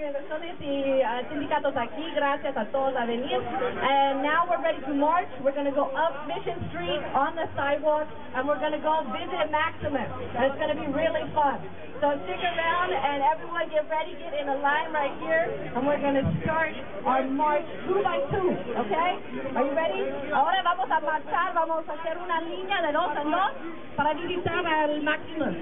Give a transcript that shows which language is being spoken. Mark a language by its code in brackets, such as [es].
[es] Gracias a todos, ahí están, sindicatos aquí, gracias a todos a venir. [en] And now we're ready to march. We're going to go up Mission Street on the sidewalk, and we're going to go visit Maxximus. And it's going to be really fun. So stick around, and everyone get ready, get in a line right here, and we're going to start our march two by two, okay? Are you ready? [es] Ahora vamos a marchar, vamos a hacer una línea de dos en dos para visitar al Maxximus.